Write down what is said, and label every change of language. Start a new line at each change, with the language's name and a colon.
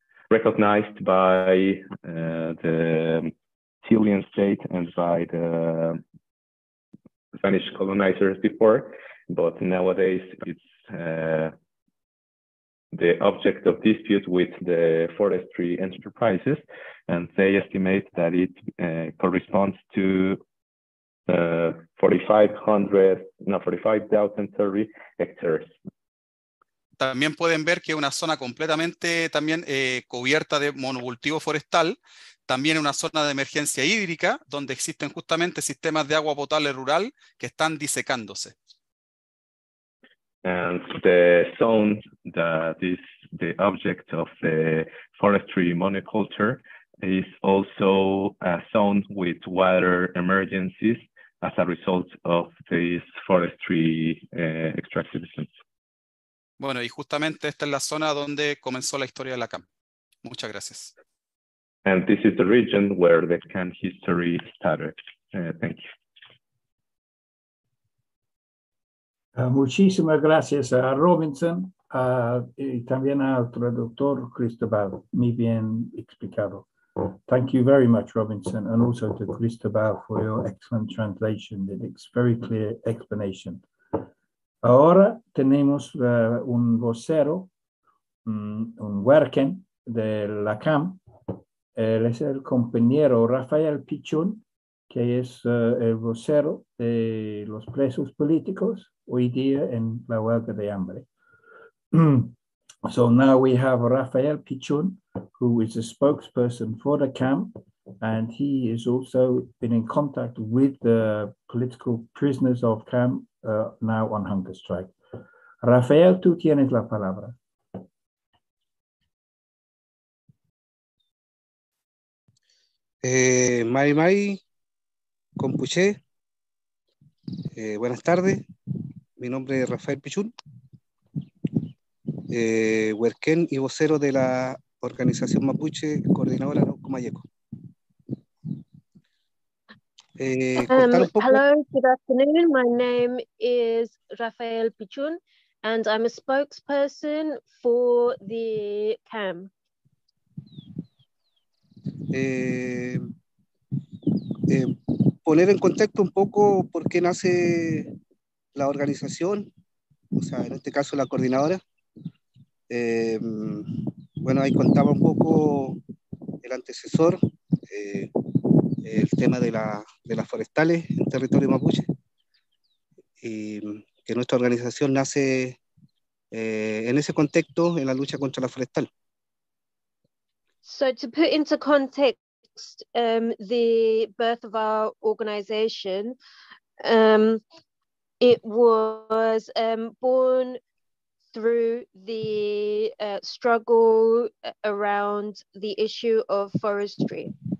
English: recognized by the Chilean state and by the Spanish colonizers before, but nowadays it's the object of dispute with the forestry enterprises, and they estimate that it corresponds to 45,000 hectares.
Spanish: También pueden ver que una zona completamente también cubierta de monocultivo forestal. También una zona de emergencia hídrica, donde existen justamente sistemas de agua potable rural que están disecándose.
English: And the zone that is the object of the forestry monoculture is also a zone with water emergencies as a result of these forestry extractivism.
Spanish: Bueno, y justamente esta es la zona donde comenzó la historia de la CAM. Muchas gracias.
English: And this is the region where the CAN history started. Thank you.
Spanish: Muchísimas gracias a Robinson y también al traductor Cristobal. Muy bien explicado.
English: Thank you very much, Robinson, and also to Cristobal for your excellent translation. It's very clear explanation.
Spanish: Ahora tenemos un vocero, un huerquen de la CAM. Él es el compañero Rafael Pichón, que es el vocero de los presos políticos hoy día en la huelga de hambre.
English: So now we have Rafael Pichón, who is a spokesperson for the CAM, and he has also been in contact with the political prisoners of CAM now on hunger strike.
Spanish: Rafael, tú tienes la palabra.
Mapuche: Mari, Compuché,
Spanish: buenas tardes. Mi nombre es Rafael Pichún, huerquén y vocero de la organización Mapuche, coordinadora Arauco Malleco.
English: Hello, good afternoon. My name is Rafael Pichún, and I'm a spokesperson for the CAM.
Spanish: Poner en contexto un poco por qué nace la organización, o sea, en este caso la coordinadora. Bueno, ahí contaba un poco el antecesor, el tema de las forestales en territorio mapuche, y que nuestra organización nace en ese contexto, en la lucha contra la forestal.
English: So to put into context the birth of our organization, it was born through the struggle around the issue of forestry.